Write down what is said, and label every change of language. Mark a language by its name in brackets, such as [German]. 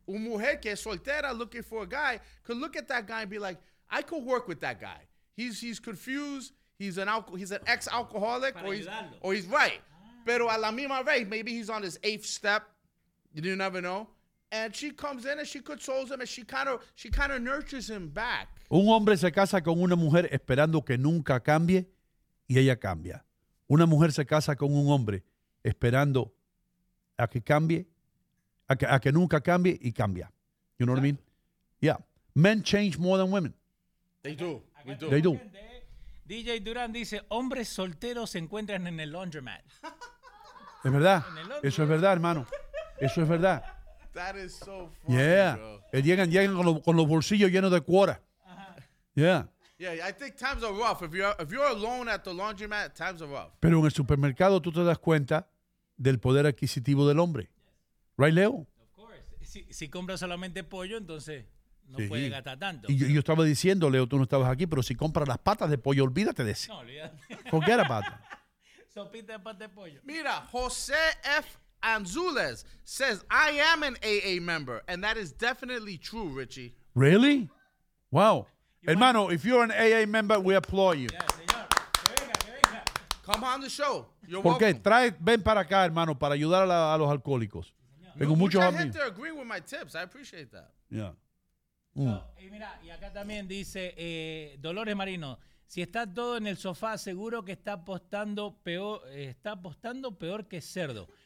[Spanish] Un mujer que es soltera [English] looking for a guy could look at that guy and be like, I could work with that guy. He's confused. He's an ex-alcoholic. [Spanish] Para ayudarlo. [English] Or he's right. [Spanish] Pero a la misma vez, [English] maybe he's on his 8th step. You never know. And she comes in and she consoles him and she kind of nurtures him back. [Spanish] Un hombre se casa con una mujer esperando que nunca cambie y ella cambia. Una mujer se casa con un hombre esperando a que cambie, a que nunca cambie y cambia. [English] You know exactly. What I mean? Yeah. Men change more than women. They do. We do. They do. [Spanish] DJ Durán dice, hombres solteros se encuentran en el laundromat. Es verdad. Eso es verdad, hermano. Eso es verdad. [English] That is so funny, yeah, bro. [Spanish] Llegan con los bolsillos llenos de cuota. Uh-huh. Yeah. [English] Yeah, I think times are rough. If you're alone at the laundromat, times are rough. [Spanish] Pero en el supermercado tú te das cuenta del poder adquisitivo del hombre. [English] Yes. Right, Leo? Of course. [Spanish] Si compras solamente pollo, entonces... No sí. Puede gastar tanto. Y yo estaba diciendo, Leo, tú no estabas aquí, pero si compras las patas de pollo, olvídate de eso. No, olvídate. [English] Forget about it. [Spanish] Sopita de patas de pollo. Mira, José F. [English] Anzules says, I am an AA member, and that is definitely true, Richie. Really? Wow. Hermano, if you're an AA member, we applaud you. Yeah, [Spanish] señor. Que venga. [English] Come on the show. You're [Spanish] ¿por [English] welcome. [Spanish] Qué? Ven para acá, hermano, para ayudar a los alcohólicos. Sí, tengo muchos amigos. [English] Mucha gente agree with my tips. I appreciate that. Yeah. So, [Spanish] y mira, y acá también dice Dolores Marino, si está todo en el sofá, seguro que está apostando peor que cerdo.